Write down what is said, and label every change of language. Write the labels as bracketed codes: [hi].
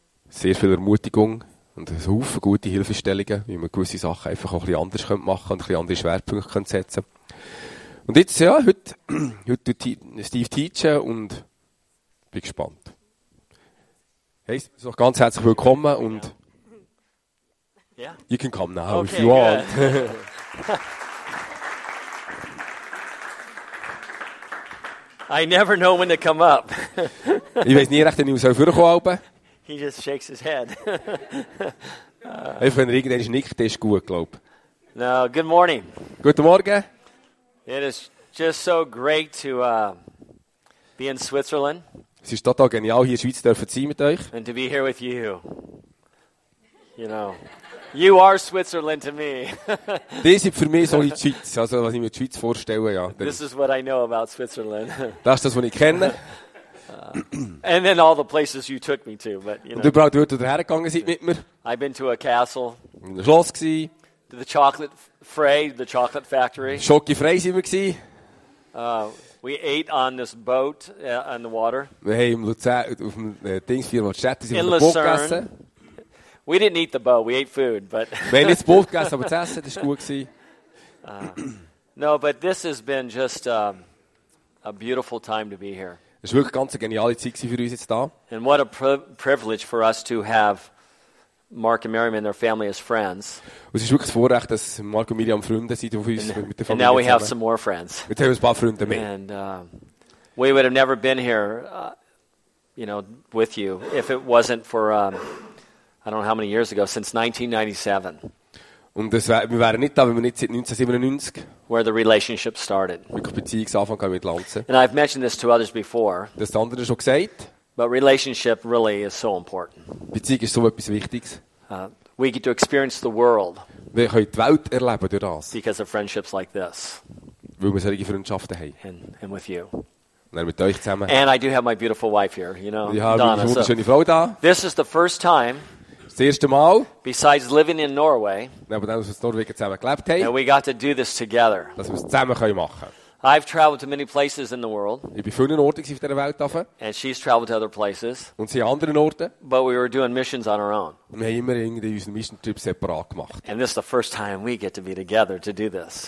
[de] Sehr viel Ermutigung und ein Haufen gute Hilfestellungen, wie man gewisse Sachen einfach auch ein bisschen anders machen könnte und ein bisschen andere Schwerpunkte setzen könnte. Und jetzt, ja, heute tut Steve teachen und bin gespannt. Hey, so ganz herzlich willkommen und [en] yeah. You can come now, okay, if you want. I never know when to come up. [de] Ich weiß nie recht, wenn ich vorkommen soll. [en] He just shakes his head. [de] Wenn er irgendwann nickt, ist gut, glaube ich. [en] No, good morning. [de] Guten Morgen. [en] It is just so great to be in Switzerland. [de] Es ist total genial, hier in der Schweiz zu sein mit euch. [en] And to be here with you. You know, you are Switzerland to me. [de] Das ist für mich so die Schweiz, also was ich mir die Schweiz vorstelle, ja. [en] This is what I know about Switzerland. [de] Das ist das, was ich kenne. [en] And then all the places you took me to, but you know. [de] Und überall dort, wo ihr hergegangen seid mit mir. [en] I've been to a castle. [de] In der Schloss gsi. [en] To the chocolate Frey, the chocolate factory. [de] Schoki Frey sind wir gsi. [en] We ate on this boat on the water. [de] Wir haben im Luzern auf dem Dingsfjord in Luzern sind wir Boot gegessen. [en] We didn't eat the boat. We ate food, but. [de] Wir haben nicht Boot gegessen, aber das Essen ist gut gsi. [en] No, but this has been just a beautiful time to be here. [de] Es war wirklich ganz eine geniale Zeit für uns jetzt da. [en] And what a privilege for us to have Mark and Miriam and their family as friends. [de] Es ist wirklich ein Vorrecht, dass Mark und Miriam Freunde sind mit der Familie. [en] And now we have some more friends. [de] Jetzt haben wir ein paar Freunde mehr. [en] And we would have never been here, you know, with you if it wasn't for I don't know how many years ago, since 1997. [de] Und das wir wären nicht da, wenn wir nicht seit 1997 [en] where the relationship started. And I've mentioned this to others before. [de] Das andere schon gesagt. [en] But relationship really is so important. [de] Beziehung ist so etwas Wichtiges. [en] We get to experience the world. [de] Wir können die Welt erleben durch das. [en] Because of friendships like this. [de] Weil wir solche Freundschaften haben. [en] And with you. [de] Und mit euch zusammen. [en] And I do have my beautiful wife here, you know, [de] ich habe Donna, meine wunderschöne Frau da. [en] This is the first time. [de] Das erste Mal, [en] besides living in Norway, that we got to do this together. [de] Dass wir es zusammen können machen. [en] I've traveled to many places in the world. [de] Ich bin vielen Orten auf der Welt gewesen. [en] And she's traveled to other places. [de] Und sie anderen Orten. [en] But we were doing missions on our own. [de] Wir haben immer irgendwie unseren Mission-Trip separat gemacht. [en] And this is the first time we get to be together to do this.